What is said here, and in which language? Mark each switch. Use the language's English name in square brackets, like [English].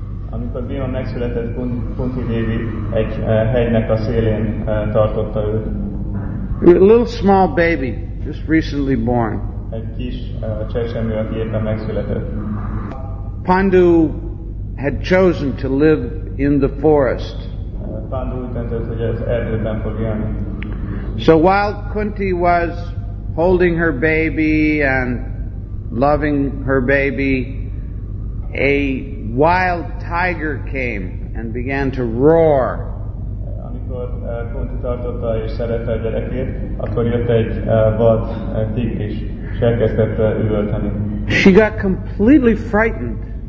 [Hungarian] Amikor Bhima megszületett, Kunti Devi egy hegynek a szélén tartotta őt. [English] A little small baby, just recently born. [Hungarian] Egy kis csecsemő, aki éppen megszületett. [English] Pandu had chosen to live in the forest. [Hungarian] Pandu úgy döntött, hogy az erdőben fog élni. [English] So while Kunti was holding her baby and loving her baby, a wild tiger came and began to roar. [Hungarian] Amikor Kunti tartotta és szerette a gyerekét, akkor jött egy vad tigris, és elkezdett üvölteni. [English] She got completely frightened.